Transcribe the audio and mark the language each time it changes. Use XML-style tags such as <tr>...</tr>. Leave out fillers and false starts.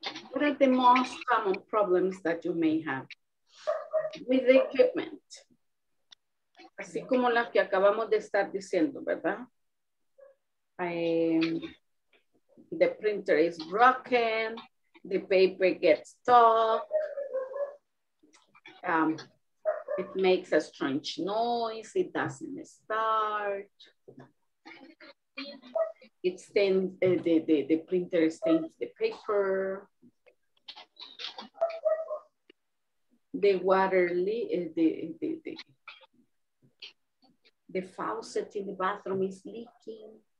<en>What are the most common problems that you may have with the equipment?</en> <es>Así como las que acabamos de estar diciendo, ¿verdad?</es> <en>The printer is broken, the paper gets stuck, it makes a strange noise, it doesn't start, it stains, the printer stains the paper, the faucet in the bathroom is leaking.</en>